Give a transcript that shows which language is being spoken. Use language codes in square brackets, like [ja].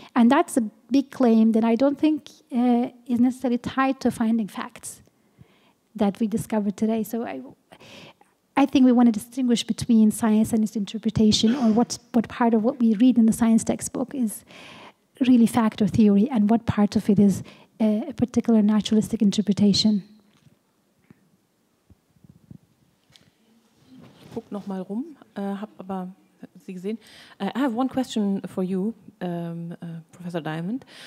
[en] And that's a big claim that I don't think is necessarily tied to finding facts that we discovered today. So I think we want to distinguish between science and its interpretation, or what part of what we read in the science textbook is really fact or theory, and what part of it is a particular naturalistic interpretation. [de] Ich guck noch mal rum, hab aber Sie gesehen. [en] I have one question for you, Professor Diamond.